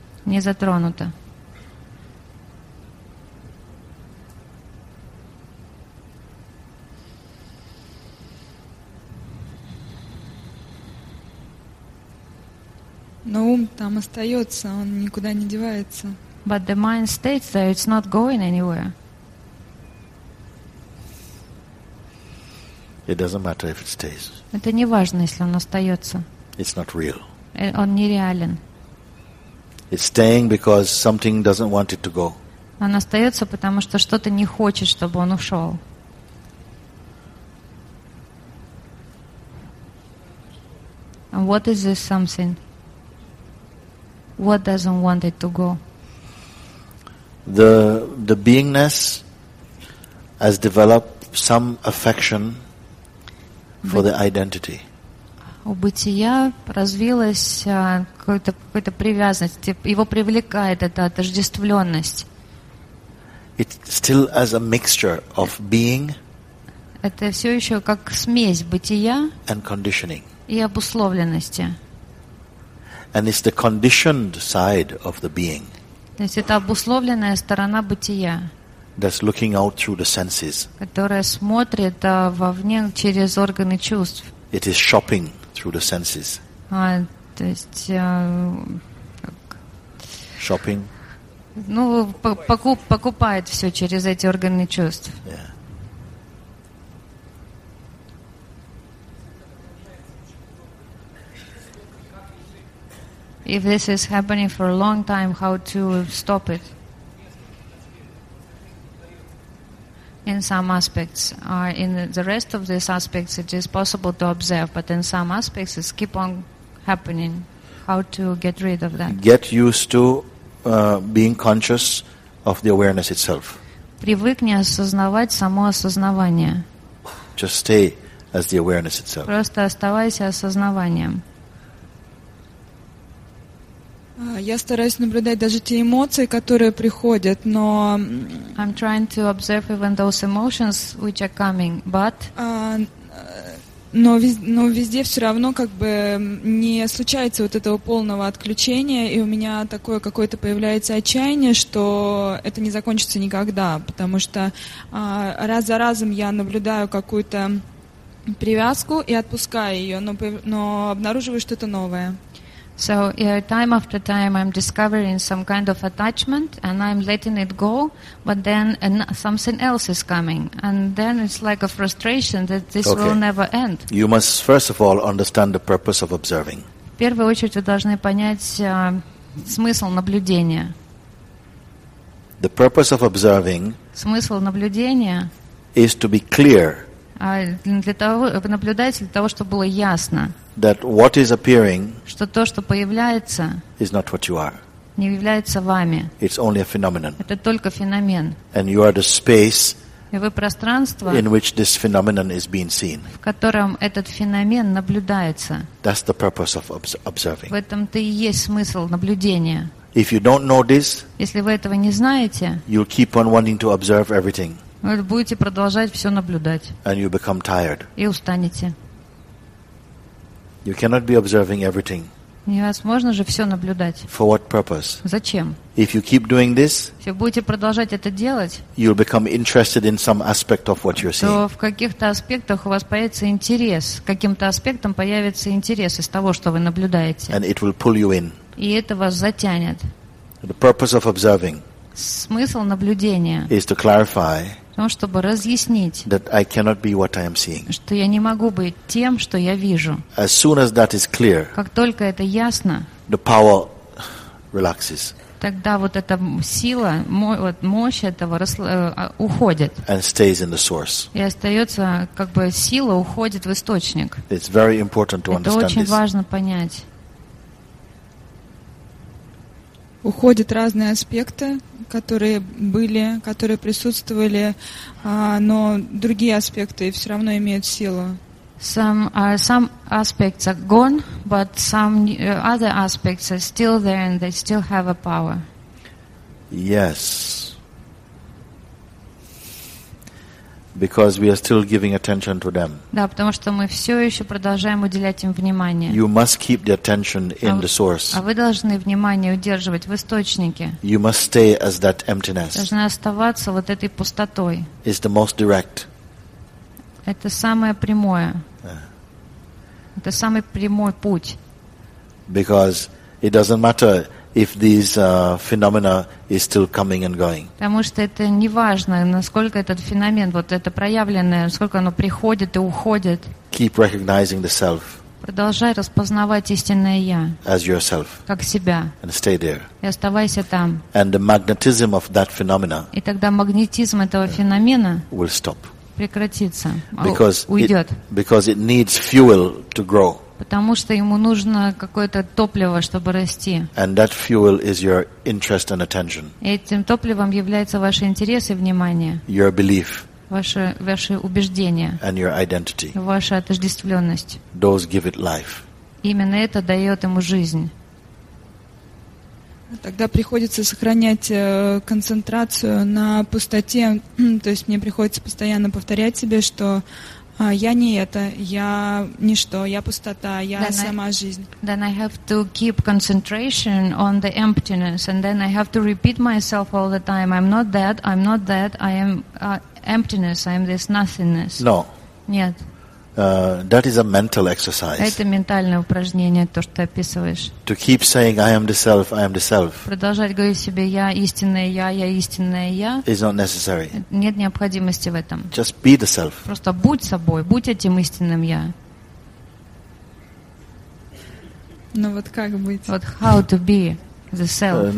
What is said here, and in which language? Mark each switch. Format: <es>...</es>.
<ru>Не затронуто. Но ум там остается, он никуда не девается.</ru> <en>But the mind stays there, it's not going anywhere. It doesn't matter if it stays.</en> <ru>Это не важно, если он остается.</ru> <en>It's not real.</en> <ru>Он нереален.</ru> <en>It's staying because something doesn't want it to go.</en> <ru>Он остается, потому что что-то не хочет, чтобы он ушел.</ru> <en>What is this something? What doesn't want it to go? The beingness has developed some affection for the identity.</en> <ru>У бытия развилась какая-то привязанность. Его привлекает эта отождествленность.</ru> <en>It still has a mixture of being.</en> <ru>Это все еще как смесь бытия</ru> <en>and conditioning.</en> <ru>И обусловленности.</ru> <en>And it's the conditioned side of the being.</en> <ru>То есть это обусловленная сторона бытия.</ru> <en>That's looking out through the senses.</en> <ru>Которая смотрит вовне через органы чувств.</ru> <en>It is shopping through the senses.</en> <ru>То есть</ru> <en>shopping.</en> <ru>Ну, покупает все через эти органы чувств.</ru> <en>Yeah. If this is happening for a long time, how to stop it? In some aspects, in the rest of these aspects, it is possible to observe, but in some aspects, it's keep on happening. How to get rid of that? Get used to being conscious of the awareness itself.</en> <ru>Привыкни осознавать само осознавание.</ru> <en>Just stay as the awareness itself.</en> <ru>Просто оставайся осознаванием. Я стараюсь наблюдать даже те эмоции, которые приходят, но</ru> <en>I'm trying to observe even those emotions which are coming, but</en> <ru>но везде все равно как бы не случается вот этого полного отключения, и у меня такое какое-то появляется отчаяние, что это не закончится никогда, потому что раз за разом я наблюдаю какую-то привязку и отпускаю ее, но обнаруживаю что-то новое.</ru> <en>So time after time, I'm discovering some kind of attachment, and I'm letting it go. But then something else is coming, and then it's like a frustration that this okay. will never end. You must first of all understand the purpose of observing.</en> <ru>В первую очередь вы должны понять смысл наблюдения.</ru> <en>The purpose of observing.</en> <ru>Смысл наблюдения.</ru> <en>Is to be clear.</en> <ru>Для того, наблюдать, для того, чтобы было ясно,</ru> <en>that what is appearing,</en> <ru>что то, что появляется,</ru> <en>is not what you are.</en> <ru>Не является вами.</ru> <en>It's only a phenomenon.</en> <ru>Это только феномен.</ru> <en>And you are the space,</en> <ru>и вы пространство,</ru> <en>in which this phenomenon is being seen.</en> <ru>В котором этот феномен наблюдается.</ru> <en>That's the purpose of observing.</en> <ru>В этом-то и есть смысл наблюдения.</ru> <en>If you don't know this,</en> <ru>если вы этого не знаете,</ru> <en>you'll keep on wanting to observe everything.</en> <ru>Вы будете продолжать все наблюдать.</ru> <en>And you become tired.</en> <ru>И устанете.</ru> <en>You cannot be observing everything.</en> <ru>Невозможно же все наблюдать.</ru> <en>For what purpose?</en> <ru>Зачем?</ru> <en>If you keep doing this,</en> <ru>если будете продолжать это делать,</ru> <en>you'll become interested in some aspect of what you're seeing.</en> <ru>То в каких-то аспектах у вас появится интерес, каким-то аспектом появится интерес из того, что вы наблюдаете.</ru> <en>And it will pull you in.</en> <ru>И это вас затянет.</ru> <en>The purpose of observing.</en> <ru>Смысл наблюдения.</ru> <en>Is to clarify.</en> <ru>В том, чтобы разъяснить,</ru> <en>that I cannot be what I am seeing.</en> <ru>Что я не могу быть тем, что я вижу.</ru> <en>As soon as that is clear,</en> <ru>как только это ясно,</ru> <en>the power relaxes.</en> <ru>Тогда вот эта сила, мощь этого уходит.</ru> <en>And stays in the source.</en> <ru>И остается, как бы сила уходит в источник.</ru> <en>It's very important to</en> <ru>это</ru> <en>understand</en> <ru>очень</ru> <en>this.</en> <ru>Важно понять. Уходят разные аспекты, которые были, которые присутствовали, но другие аспекты все равно имеют силу.</ru> <en>Some aspects are gone, but some other aspects are still there and they still have a power. Yes. Because we are still giving attention to them.</en> <ru>Да, потому что мы все еще продолжаем уделять им внимание.</ru> <en>You must keep the attention in the source.</en> <ru>А вы должны внимание удерживать в источнике.</ru> <en>You must stay as that emptiness.</en> <ru>Должны оставаться вот этой пустотой.</ru> <en>It's the most direct.</en> <ru>Это самое прямое. Это самый прямой путь.</ru> <en>Because it doesn't matter if these phenomena is still coming and going.</en> <ru>Потому что это не важно, насколько этот феномен, вот это проявленное, сколько оно приходит и уходит.</ru> <en>Keep recognizing the self.</en> <ru>Продолжай распознавать истинное я.</ru> <en>As yourself.</en> <ru>Как себя.</ru> <en>And stay there.</en> <ru>И оставайся там.</ru> <en>And the magnetism of that phenomena.</en> <ru>И тогда магнетизм этого феномена</ru> <en>will stop.</en> <ru>Прекратится.</ru> <en>Because</en> <ru>уйдет.</ru> <en>Because it needs fuel to grow.</en> <ru>Потому что ему нужно какое-то топливо, чтобы расти.</ru> <en>And that fuel is your interest and attention.</en> <ru>Этим топливом является ваши интересы и внимание.</ru> <en>Your belief.</en> <ru>Ваши убеждения.</ru> <en>And your identity.</en> <ru>Ваша отождествленность.</ru> <en>Those give it life.</en> <ru>Именно это дает ему жизнь. Тогда приходится сохранять концентрацию на пустоте. То есть мне приходится постоянно повторять себе, что я не это, я ничто, я пустота, я</ru> <en>then</en> <ru>сама жизнь.</ru> <en>Then I have to keep concentration on the emptiness, and then I have to repeat myself all the time. I'm not that, I'm not that, I am emptiness, I am this nothingness. No.</en> <ru>Нет.</ru> <en>That is a mental exercise.</en> <ru>Это ментальное упражнение, то, что ты описываешь.</ru> <en>To keep saying I am the self, I am the self.</en> <ru>Продолжать говорить себе я истинное я, истинное я.</ru> <en>Is not necessary.</en> <ru>Нет необходимости в этом.</ru> <en>Just be the self.</en> <ru>Просто будь собой, будь этим истинным я. Ну вот как быть?</ru> <en>What how to be the self?</en>